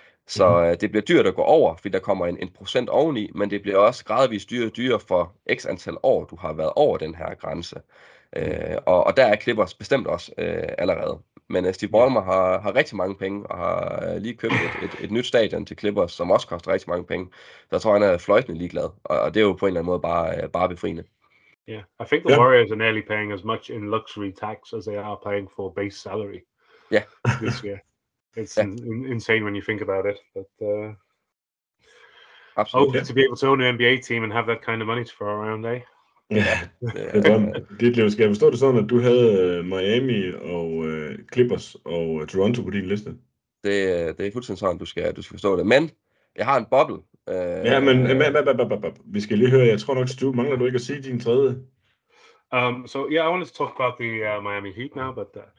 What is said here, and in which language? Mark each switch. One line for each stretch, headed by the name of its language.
Danish: Så det bliver dyrt at gå over, fordi der kommer en procent oveni, men det bliver også gradvist dyrere og dyrere for x antal år, du har været over den her grænse. Og der er Clippers bestemt også allerede. Men Steve Ballmer har rigtig mange penge, og har lige købt et nyt stadion til Clippers, som også koster rigtig mange penge. Så jeg tror, han er fløjtende ligeglad, og det er jo på en eller anden måde bare befriende.
English: Yeah, I think the Warriors are nearly paying as much in luxury tax as they are paying for base salary. Yeah. This year. It's insane when you think about it, but absolutely. Hopefully to be able to own an NBA team and have that kind of money to throw around, eh?
Danish: Ja, det er dit liv. Skal jeg forstå det sådan, at du havde Miami og Clippers og Toronto på din liste? Det er fuldstændig sådan, du skal forstå det. Men jeg har en boble. Ja, men vi skal lige høre. Jeg tror nok, at du mangler du ikke at sige din tredje.
English: I wanted to talk about the Miami Heat now, but